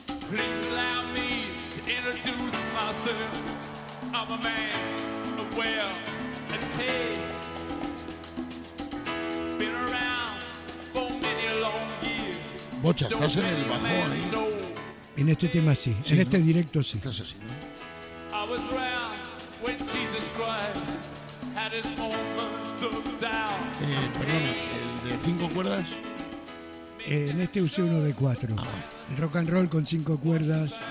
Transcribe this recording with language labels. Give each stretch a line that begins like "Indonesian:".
English: Please allow me to introduce myself. I'm a man of wealth and taste. Been around for many long years.
Spanish: Bocha, estás en el bajón, ¿eh? En este tema sí, sí, en este, ¿no?, directo sí. Estás así, ¿no?
English: I was around when Jesus Christ had his moments of doubt.
Spanish: Perdona, ¿el de cinco cuerdas? En este usé uno de cuatro. El rock and roll con cinco cuerdas.